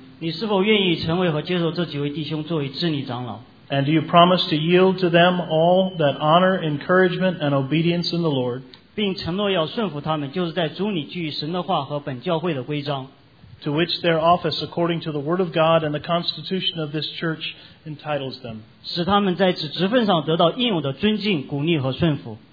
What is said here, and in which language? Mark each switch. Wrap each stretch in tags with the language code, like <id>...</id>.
<zh>你是否愿意成为和接受这几位弟兄作为治理长老？</zh> <en>And do you promise to yield to them all that honor, encouragement, and obedience in the Lord?</en> <zh>并承诺要顺服他们，就是在主里据神的话和本教会的规章。</zh> <en>To which their office, according to the word of God and the constitution of this church, entitles them.</en> <zh>使他们在此职分上得到应有的尊敬、鼓励和顺服。</zh>